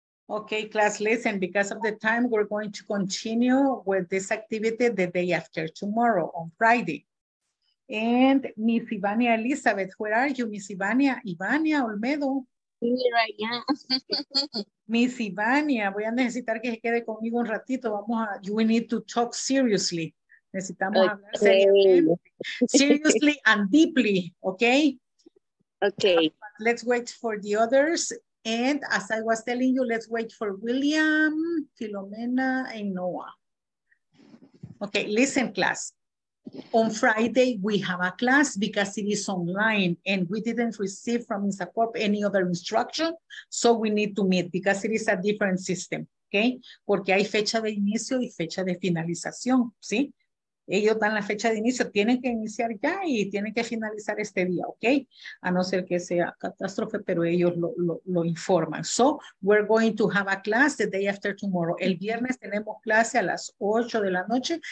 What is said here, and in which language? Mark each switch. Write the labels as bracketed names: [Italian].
[English] Okay, class, listen, because of the time, we're going to continue with this activity the day after tomorrow on Friday. And Miss Ivania Elizabeth, where are you, Miss Ivania? Ivania Olmedo. Here I am. [Spanish] Miss Ivania, voy a necesitar que se quede conmigo un ratito. Vamos a, [English] we need to talk seriously. [Spanish] Necesitamos hablar [English] seriously and deeply, okay? Okay. Let's wait for the others. And as I was telling you, let's wait for William, Filomena, and Noah. Okay, listen, class. On Friday, we have a class because it is online and we didn't receive from INSACORP any other instruction. So we need to meet because it is a different system, okay? [Spanish] Porque hay fecha de inicio y fecha de finalización, ¿sí? Ellos dan la fecha de inicio, tienen que iniciar ya y tienen que finalizar este día, okay? A no ser que sea catástrofe, pero ellos lo informan. [English] So we're going to have a class the day after tomorrow. [Spanish] El viernes tenemos clase a las 8 de la noche.